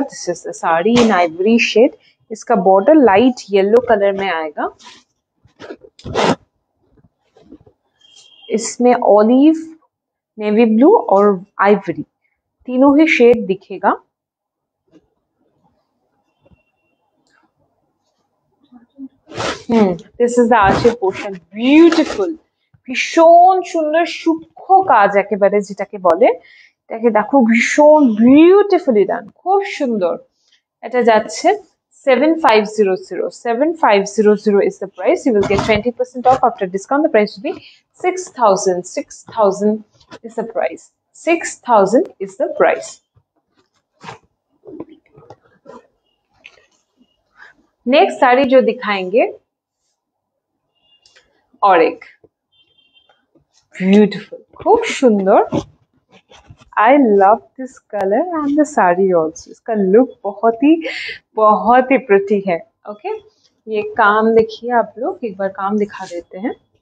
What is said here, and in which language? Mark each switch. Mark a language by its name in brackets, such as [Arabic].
[English] this is the sari in ivory shade, [Hindi] इसका border light yellow colour में आएगा। इसमें ऑलिव, नेवी ब्लू और आइवरी तीनों ही शेड दिखेगा। [English] this is the archer portion, beautiful, [Bangla] ভীষণ সুন্দর সূক্ষ্ম কাজ, একেবারে যেটাকে বলে, এটাকে দেখো ভীষণ বিউটিফুলি ডান, খুব সুন্দর। এটা যাচ্ছে [English] 7500, 7500 is the price. You will get 20% off after discount, the price will be 6000, 6000 is the price, 6000 is the price. [Hindi] Next sari যে দেখাएंगे অরেক, ब्यूटिफुल, खूब सुंदर। [English] I love this colour and the sari also, [Hindi] इसका लुक बहुत ही प्रिटी है। ओके, ये काम देखिए आप लोग, एक बार काम दिखा देते हैं।